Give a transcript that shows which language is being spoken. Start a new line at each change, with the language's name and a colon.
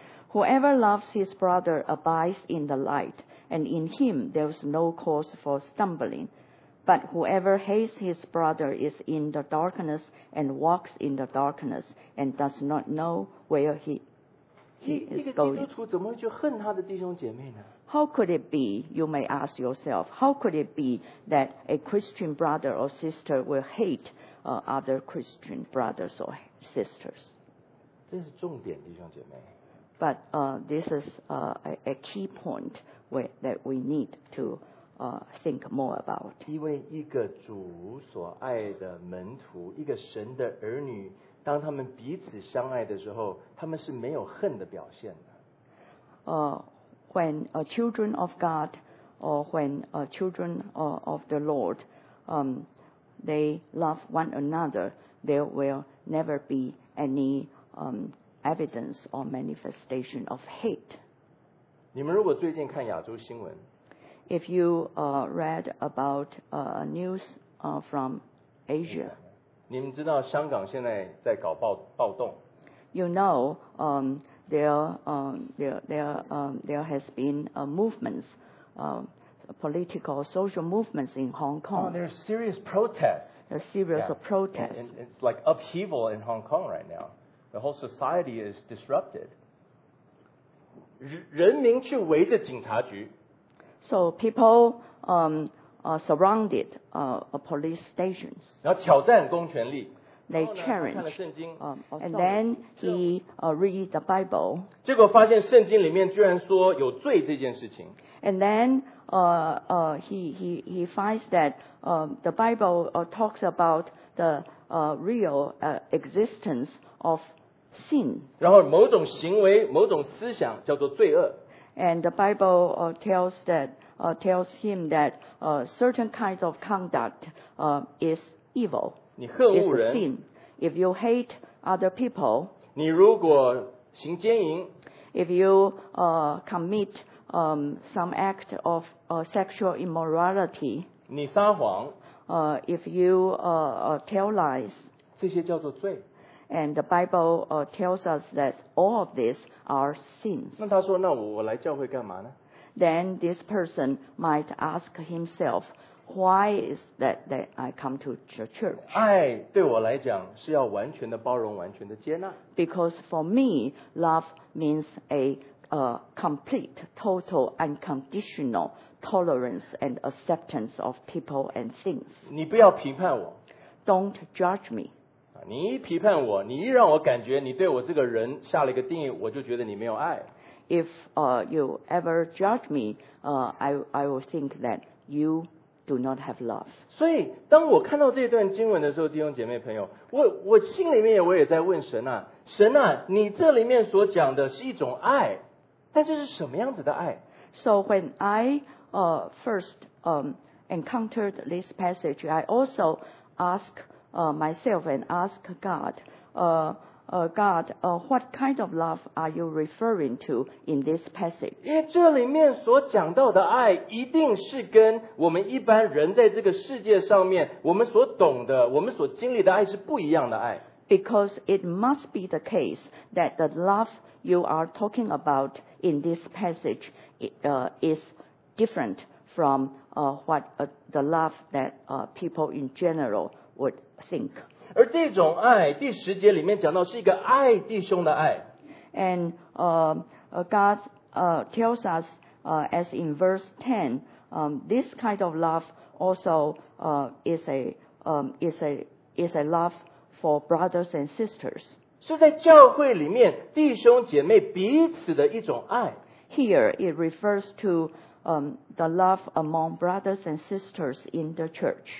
English: Whoever loves his brother abides in the light, and in him there is no cause for stumbling. But whoever hates his brother is in the darkness and walks in the darkness and does not know where he is going.
Chinese: 一个基督徒怎么会去恨他的弟兄姐妹呢？
English: How could it be, you may ask yourself, how could it be that a Christian brother or sister will hate, other Christian brothers or sisters?
Chinese: 这是重点，弟兄姐妹。
English: But, this is, a key point that we need to, think more about.
Chinese: 因为一个主所爱的门徒，一个神的儿女，当他们彼此相爱的时候，他们是没有恨的表现的。
English: When, children of God, or when, children, of the Lord, they love one another, there will never be any, evidence or manifestation of hate.
Chinese: 你们如果最近看亚洲新闻，
English: If you, read about, news, from Asia,
Chinese: 你们知道香港现在在搞暴动。
English: You know, there has been, movements, political, social movements in Hong Kong. Oh, there's serious protests. There's serious protests. And it's like upheaval in Hong Kong right now. The whole society is disrupted.
Chinese: 人民去围着警察局。
English: So people, surrounded, police stations.
Chinese: 然后挑战公权力。
English: They challenge, and then he, read the Bible.
Chinese: 结果发现圣经里面居然说有罪这件事情。
English: And then, he finds that, the Bible, talks about the, real, existence of sin.
Chinese: 然后某种行为、某种思想叫做罪恶。
English: And the Bible, tells that, tells him that, certain kinds of conduct, is evil.
Chinese: 你恨恶人，
English: if you hate other people,
Chinese: 你如果行奸淫，
English: if you, commit, some act of, sexual immorality,
Chinese: 你撒谎，
English: if you, tell lies,
Chinese: 这些叫做罪。
English: And the Bible, tells us that all of these are sins.
Chinese: 那他说，那我来教会干嘛呢？
English: Then this person might ask himself,Why is that that I come to the church?
Chinese: 爱对我来讲是要完全的包容，完全的接纳。
English: Because for me, love means a, complete, total, unconditional tolerance and acceptance of people and things.
Chinese: 你不要评判我。
English: Don't judge me.
Chinese: 你一批判我，你一让我感觉你对我这个人下了一个定义，我就觉得你没有爱。
English: If, you ever judge me, I will think that you. Do not have love.
Chinese: 所以当我看到这段经文的时候，弟兄姐妹朋友，我心里面我也在问神啊，神啊，你这里面所讲的是一种爱，但是是什么样子的爱？
English: So when I, first, encountered this passage, I also ask, myself and ask God, God, what kind of love are you referring to in this passage?
Chinese: 因为这里面所讲到的爱一定是跟我们一般人在这个世界上面我们所懂的我们所经历的爱是不一样的爱。
English: Because it must be the case that the love you are talking about in this passage is different from what the love that people in general would think.
Chinese: 而这种爱第十节里面讲到是一个爱弟兄的爱。
English: And God tells us as in verse 10, this kind of love also is a love for brothers and sisters.
Chinese: 是在教会里面弟兄姐妹彼此的一种爱。
English: Here it refers to the love among brothers and sisters in the church.